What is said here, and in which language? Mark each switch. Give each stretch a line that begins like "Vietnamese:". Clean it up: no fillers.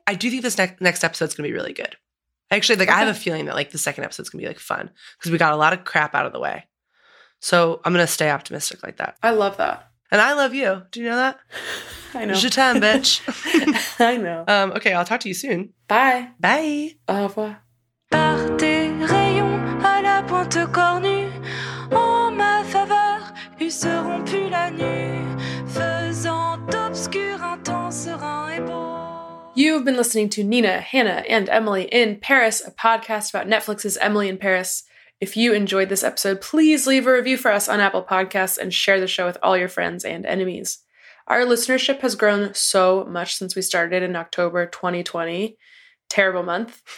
English: I do think this next episode is going to be really good. Actually, like I have a feeling that like the second episode is going to be like fun because we got a lot of crap out of the way. So I'm going to stay optimistic like that. I love that. And I love you. Do you know that? I know.
French: Je t'aime, bitch.
English: I know. Okay, I'll talk to you soon. Bye. Bye.
French: Au revoir. Par tes rayons à la pointe cornue, en ma faveur, ils seront plus la nuit, faisant obscur un temps serein et beau.
English: You've been listening to Nina, Hannah, and Emily in Paris, a podcast about Netflix's Emily in Paris. If you enjoyed this episode, please leave a review for us on Apple Podcasts and share the show with all your friends and enemies. Our listenership has grown so much since we started in October 2020. Terrible month.